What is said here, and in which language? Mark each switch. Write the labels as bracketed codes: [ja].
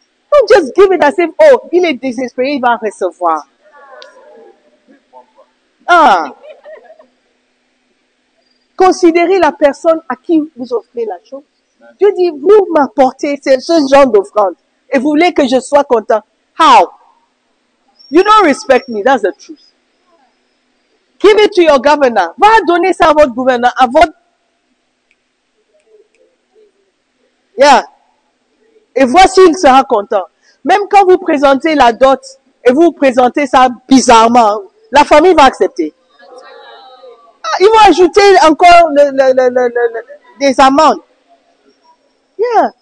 [en] Don't just give it as if, oh, [fr] il est désespéré, il va recevoir. Ah. Considérez la personne à qui vous offrez la chose. Dieu dit, vous m'apportez ce genre d'offrande et vous voulez que je sois content. [en] How? You don't respect me, that's the truth. Give it to your governor. [fr] Va donner ça à votre gouverneur, à votre... Yeah. Et voici, il sera content. Même quand vous présentez la dot et vous présentez ça bizarrement, la famille va accepter. Ils vont ajouter encore des amendes. Yeah.